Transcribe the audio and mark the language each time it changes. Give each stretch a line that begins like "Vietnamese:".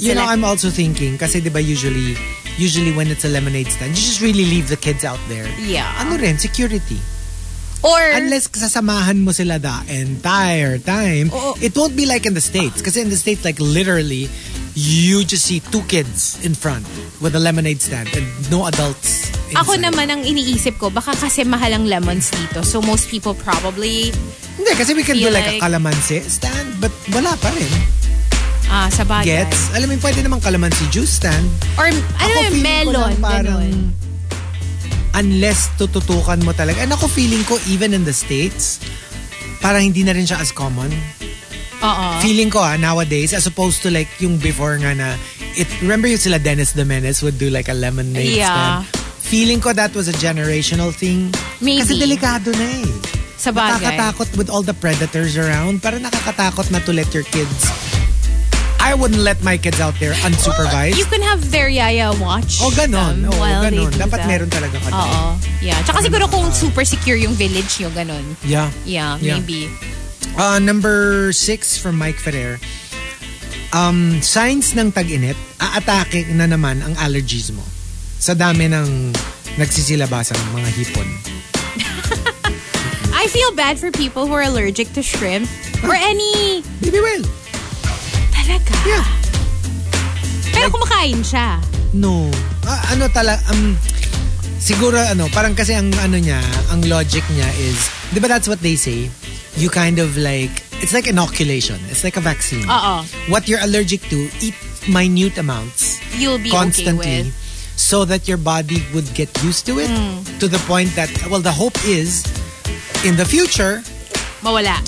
English: You know, I'm also thinking,
Filipino: kasi diba
English: usually when it's a lemonade stand, you just really leave the kids out there. Yeah.
Filipino: Ano rin, security.
English: Or unless
Filipino: kasasamahan mo sila
English: the entire time, it won't be like in the States. Kasi in the States, like literally, you just see two kids in front with a lemonade stand and no adults inside.
Filipino: Ako naman ang iniisip ko, baka kasi mahal ang lemons dito.
English: So most people probably
Filipino: hindi, kasi
English: we can do like a calamansi stand, but
Filipino: wala pa rin. Ah, sa bagay. Gets? Alam mo, pwede namang calamansi juice stand. Or, ano yung melon, ganun. Unless tututukan mo talaga. And ako feeling ko,
English: even in the States,
Filipino: parang hindi na rin siya
English: as common. Uh-oh.
Filipino: Feeling ko ha,
English: nowadays, as opposed to like yung before nga na it, remember yung sila Dennis the Menace would do like a lemonade stand? Yeah. Feeling ko that was a generational thing. Maybe.
Filipino: Kasi delikado na eh. Sa bagay. Nakakatakot with all the predators around. Parang nakakatakot na
English: to let your kids. I wouldn't let my kids out there unsupervised. Well, you can have their yaya watch
Filipino: them. Oh, ganun. Oh, while ganun. They do dapat that. Meron talaga ka. Oo. Yeah. Tsaka siguro kung
English: super secure
Filipino: yung village nyo, ganun.
English: Yeah. Yeah, maybe. Number 6 from Mike Ferrer.
Filipino: Signs ng tag-init, aatake na naman ang allergies mo sa dami ng nagsisilabasan ng mga hipon.
English: I feel bad for people who are allergic to shrimp or any... Baby well.
Filipino: Talaga?
English: Yeah.
Filipino: Pero kumakain siya. No. Ano talaga... siguro ano, parang kasi ang ano niya, ang logic niya is, di ba
English: that's what they say? You kind of like, it's like inoculation. It's like a vaccine. Uh-oh. What you're allergic to, eat minute amounts. You'll be constantly okay with. So that your body would get used to it. Mm. To the point that, well, the hope is, in the future,
Filipino: mawala.